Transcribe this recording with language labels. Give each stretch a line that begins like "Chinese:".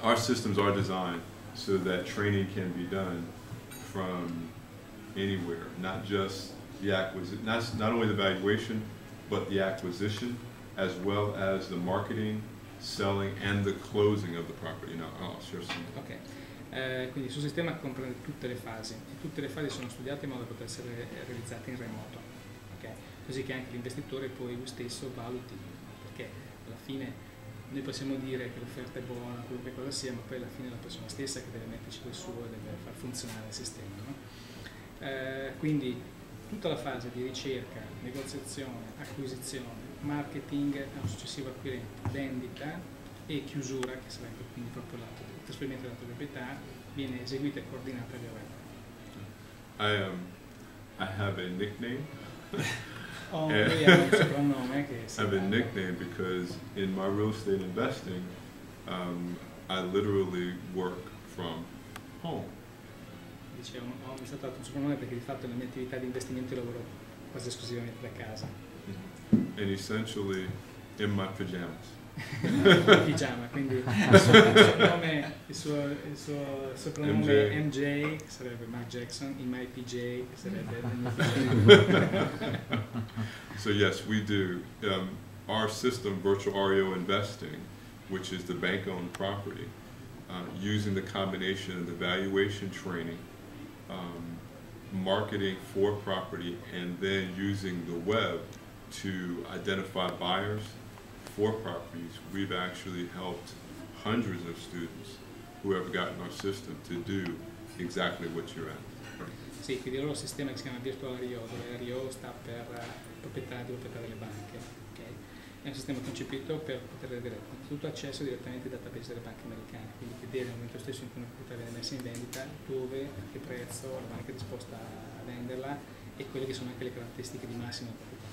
English: Our systems are designed so that training can be done from anywhere, not just the acquisition, not only the valuation, but the acquisition, as well as the marketing, selling, and the closing of the property. Now, I'll share some. Okay.
Italian: Quindi il suo sistema comprende tutte le fasi e tutte le fasi sono studiate in modo da poter essere realizzate in remoto, okay? Così che anche l'investitore poi lui stesso valuti, perché alla fine noi possiamo dire che l'offerta è buona, qualunque cosa sia, ma poi alla fine è la persona stessa che deve metterci quel suo e deve far funzionare il sistema, no? Quindi tutta la fase di ricerca, negoziazione, acquisizione, marketing a un successivo acquirente, vendita e chiusura, che sarebbe quindi proprio l'altro trasferimento della proprietà, viene eseguita e coordinata via web.
English: I have a nickname.
Italian: Oh, lui ha un soprannome che si
English: chiama. I have a nickname because in my real estate investing, I literally work from home.
Italian: Dicevo, mi è stato dato un soprannome perché di fatto nella mia attività di investimento lavoro quasi esclusivamente da casa.
English: Mm-hmm. And essentially in my pajamas.
Italian: Pigiama, quindi il suo soprannome MJ, che sarebbe Mark Jackson,
English: in my PJ,
Italian: che sarebbe
English: So yes, we do. Our system, Virtual REO Investing, which is the bank-owned property, using the combination of the valuation training, marketing for property, and then using the web to identify buyers for properties, we've actually helped hundreds of students who have gotten our system to do exactly what you're asking.
Italian: Sì, quindi il loro sistema che si chiama Virtual RIO, dove RIO sta per proprietà delle banche, okay? È un sistema concepito per poter avere tutto accesso direttamente ai database delle banche americane, quindi vedere nel momento stesso in cui una proprietà viene messa in vendita, dove, a che prezzo, la banca è disposta a venderla e quelle che sono anche le caratteristiche di massima proprietà.